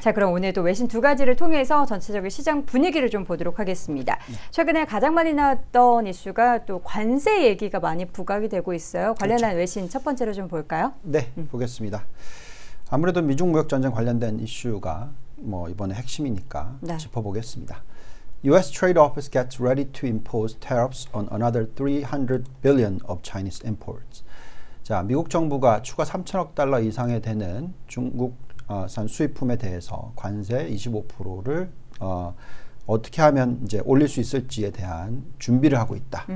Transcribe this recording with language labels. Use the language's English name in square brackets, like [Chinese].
[Korean] 자, 그럼 오늘도 외신 두 가지를 통해서 전체적인 시장 분위기를 좀 보도록 하겠습니다. 네. 최근에 가장 많이 나왔던 이슈가 또 관세 얘기가 많이 부각이 되고 있어요. 관련한 그렇죠. 외신 첫 번째로 좀 볼까요? 네, 보겠습니다. 아무래도 미중 무역 전쟁 관련된 이슈가 뭐 이번에 핵심이니까 네. 짚어보겠습니다. [English] U.S. Trade Office gets ready to impose tariffs on another 300 billion of Chinese imports. [Korean] 자, 미국 정부가 추가 3천억 달러 이상에 되는 중국산 수입품에 대해서 관세 25%를 어떻게 하면 이제 올릴 수 있을지에 대한 준비를 하고 있다.